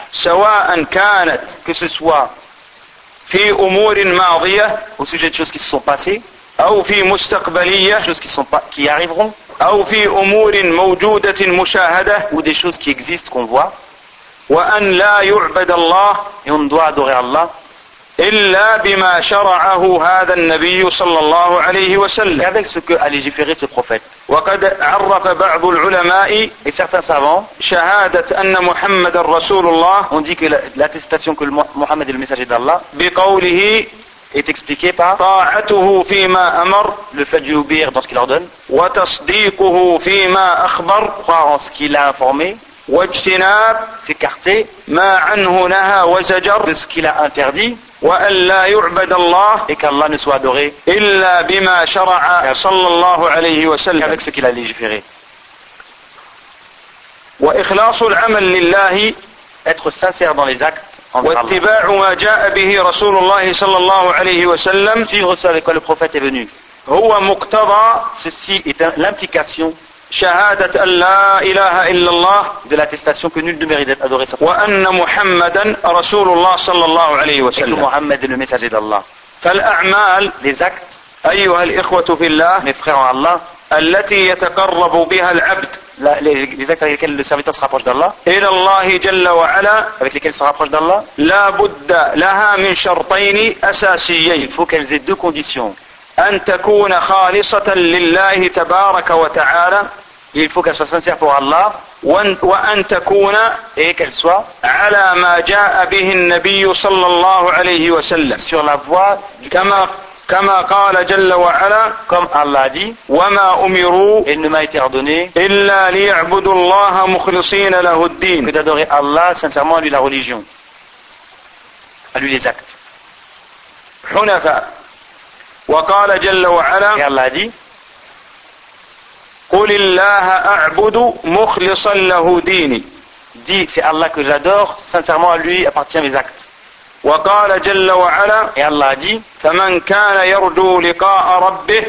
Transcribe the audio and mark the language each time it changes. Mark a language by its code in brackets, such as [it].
[ar] سواء كانت [fr] que ce soit [ar] في امور ماضيه [fr] au sujet de choses qui se sont passées [ar] او في مستقبليه [fr] choses qui sont qui arriveront [ar] او في امور موجوده مشاهده [fr] ou des choses qui existent qu'on voit [ar] وان لا يعبد الله [fr] et on doit adorer Allah [ar] الا بما شرعه هذا النبي صلى الله عليه وسلم [fr] avec ce que a légiféré ce prophète [ar] وقد عرف بعض العلماء [fr] et certains savants [ar] شهاده ان محمد رسول الله [fr] on dit que l'attestation que Mohammed est le messager d'Allah [ar] بقوله [fr] est expliqué par [ar] طاعته فيما امر [fr] le fait d'obéir dans ce qu'il ordonne [ar] وتصديقه فيما اخبر [fr] croire en ce qu'il a informé [ar] واجتناب [fr] s'écarter [ar] ما عنه نهى وزجر [fr] de ce qu'il a interdit [ar] وأن لا يعبد الله [fr] et qu'Allah ne soit adoré [ar] إلا بما شرع صلى الله عليه وسلم [fr] avec ce qu'il a légiféré [ar] وإخلاص العمل لله [fr] être sincère dans les actes [ar] واتباع ما جاء به رسول الله صلى الله عليه وسلم [fr] suivre ce avec quoi le prophète est venu [ar] هو مقتضى [fr] ceci est l'implication [ar] شهادة أن لا إله إلا الله [fr] de l'attestation que nul ne mérite d'être adoré [ar] وأن محمدا رسول الله صلى الله عليه وسلم [fr] et que Muhammad est le messager d'Allah [ar] فالأعمال [fr] les actes [ar] أيها الإخوة في الله [fr] mes frères en Allah [ar] التي يتقرب بها العبد [fr] les actes avec lesquels le serviteur se rapproche d'Allah [ar] إلى الله جل وعلا [fr] avec lesquels se rapproche d'Allah [ar] لا بد لها من شرطين أساسيين [fr] il faut qu'elles aient deux conditions [ar] أن تكون خالصة لله تبارك وتعالى. [fr] Il faut qu'elle soit sincère pour Allah. [ar] وأن تكون [fr] et qu'elle soit [ar] على ما جاء به النبي صلى الله عليه وسلم. [fr] Sur la voie. [ar] كما قال جل وعلا. [fr] Comme Allah dit. [ar] وما أمروا. [fr] Il ne m'a été ordonné. [ar] إلا ليعبدوا الله مخلصين له الدين. [fr] Que d'adorer Allah sincèrement à lui la religion. À lui les actes. [ar] حنفاء. وقال جل وعلا قل الله أعبد مخلصا له ديني [fr] دي سي الله que j'adore sincèrement à lui appartient mes actes [ar] وقال جل وعلا فمن كان يرجو لقاء ربه